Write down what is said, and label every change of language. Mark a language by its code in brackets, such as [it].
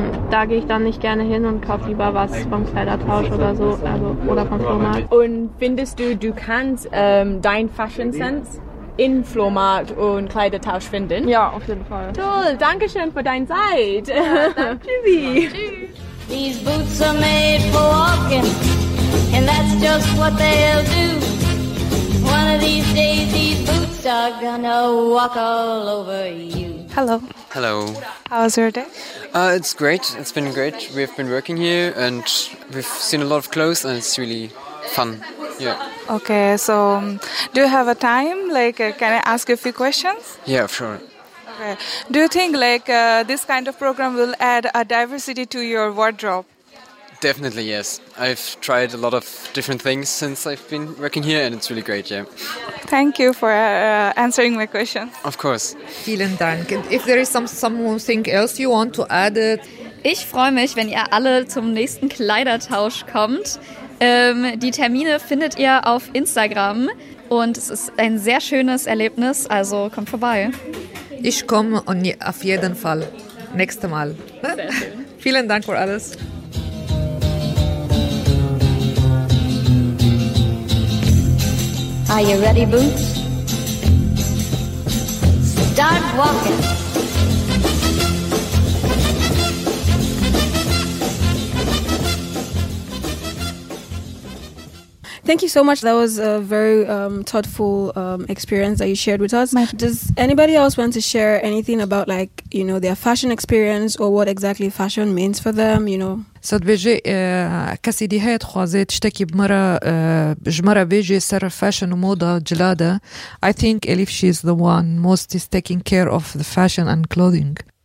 [de] Da gehe ich dann nicht gerne hin und kaufe lieber was vom Kleidertausch oder so, also oder vom Flohmarkt. Und findest du, du kannst dein Fashion Sense in Flohmarkt und Kleidertausch finden? Ja, auf jeden Fall. Toll, danke schön für deine Zeit. Tschüssi. Ja, tschüss. [en] These boots are made for walking, and that's just what they'll do. One of these days these boots are gonna walk all over you. Hello. Hello. How was your day? It's great. It's been great. We've been working here and we've seen a lot of clothes and it's really fun. Yeah. Okay, so do you have a time? Like, can I ask a few questions? Yeah, sure. Okay. Do you think like this kind of program will add a diversity to your wardrobe? Definitely, yes. I've tried a lot of different things since I've been working here and it's really great, yeah. Thank you for answering my question. Of course. [de] Vielen Dank. [en] And if there is something else you want to add it. [de] Ich freue mich, wenn ihr alle zum nächsten Kleidertausch kommt. Die Termine findet ihr auf Instagram und es ist ein sehr schönes Erlebnis, also kommt vorbei. Ich komme auf jeden Fall. Nächstes Mal. Vielen Dank für alles. [en] Are you ready, Boots? Start walking. Thank you so much. That was a very thoughtful experience that you shared with us. Does anybody else want to share anything about, like, you know, their fashion experience or what exactly fashion means for them, you know? صد بيجي كسي دي هيت خوازي تشتكي بمرة جمرة بيجي سر فاشن وموضة جلادة. I think Elif, she is the one most is taking care of the fashion and clothing.